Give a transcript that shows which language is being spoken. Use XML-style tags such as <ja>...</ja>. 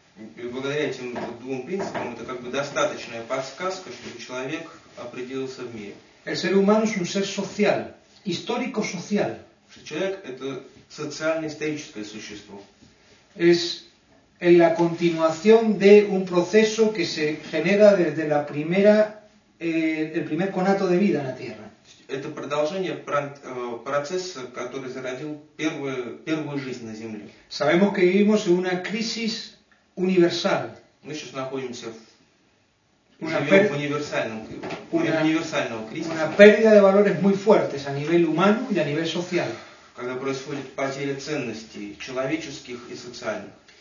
<ru>Благодаря этим двум принципам, это как бы достаточная подсказка, чтобы человек определился в мире.</ru> <es>El ser humano es un ser social, histórico-social.</es> <ru>Человек – это социально-историческое существо.</ru> <es>Es en la continuación de un proceso que se genera desde la primera el primer conato de vida en la Tierra.</es> <ru>Это продолжение процесса, который зародил первую жизнь на Земле.</ru> <es>Sabemos que vivimos en una crisis universal.</es> <ru>Мы сейчас находимся в универсальном кризисе.</ru> <es>Una pérdida de valores muy fuertes a nivel humano y a nivel social.</es> <ru>Когда происходит потеря ценностей человеческих и социальных.</ru>